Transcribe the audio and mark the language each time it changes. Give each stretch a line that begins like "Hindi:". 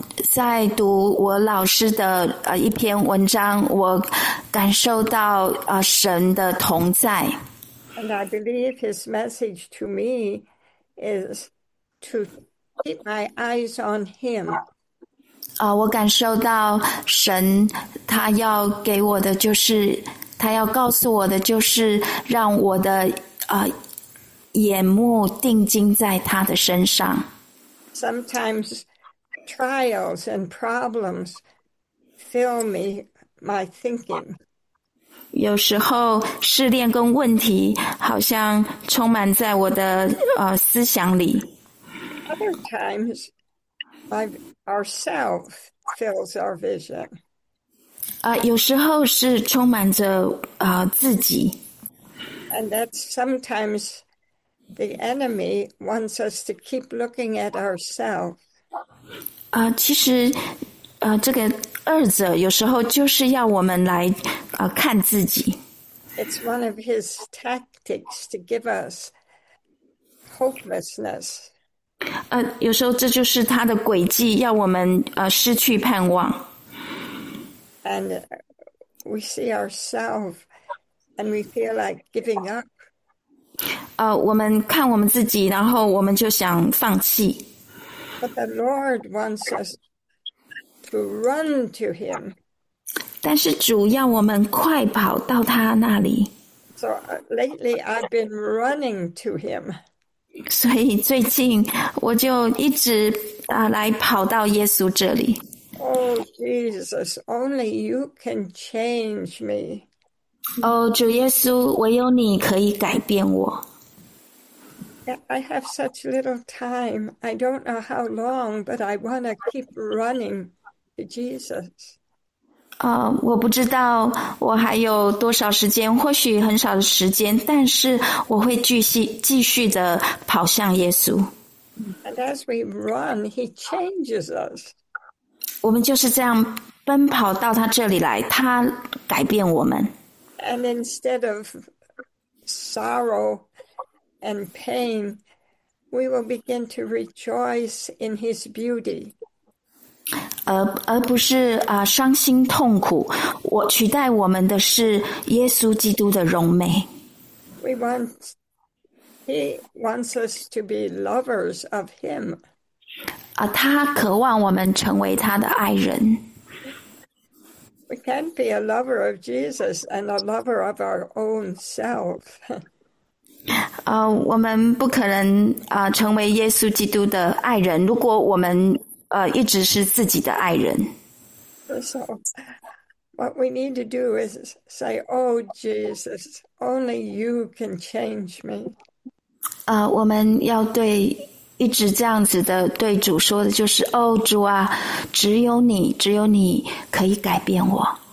Chinese: 在读我老师的一篇文章，我感受到神的同在。
English: And I believe his message to me is to keep my eyes on him.
Chinese: 我感受到神他要给我的就是，他要告诉我的就是让我的眼目定睛在他的身上。
English: Sometimes trials and problems fill me, my thinking.
Chinese: 有时候试炼跟问题好像充满在我的思想里。
English: Other times, ourself fills our vision.
Chinese: 有时候是充满着自己。
English: And that's sometimes the enemy wants us to keep looking at ourselves.
Chinese: 其实，这个二者有时候就是要我们来看自己。
English: It's one of his tactics to give us hopelessness.
Chinese: 有时候这就是他的诡计，要我们失去盼望。
English: And we see ourselves and we feel like giving up.
Chinese: 我们看我们自己，然后我们就想放弃。
English: But the Lord wants us to run to Him.
Chinese: 但是主要我们快跑到他那里，
English: So lately I've been running to Him.
Chinese: 所以最近我就一直来跑到耶稣这里。
English: Oh, Jesus, only you can change me.
Chinese: 哦，主耶稣，唯有你可以改变我。
English: Yeah, I have such little time. I don't know how long, but I want to keep running to Jesus.
Chinese: 我不知道我还有多少时间，或许很少的时间，但是我会继续的跑向耶稣。
English: And as we run, he changes us.
Chinese: 我们就是这样奔跑到他这里来，他改变我们。
English: And instead of sorrow and pain, we will begin to rejoice in his beauty.
Chinese: 而不是伤心痛苦，我取代我们的是耶稣基督的荣美。
English: He wants us to be lovers of him.
Chinese: 他渴望我们成为他的爱人。
English: We can't be a lover of Jesus and a lover of our own self.
Chinese: 我们不可能成为耶稣基督的爱人，如果我们一直是自己的爱人。
English: So, what we need to do is say, Oh Jesus, only you can change me.
Chinese: 我们要对一直这样子的对主说的就是：哦，主啊，只有你，只有你可以改变我。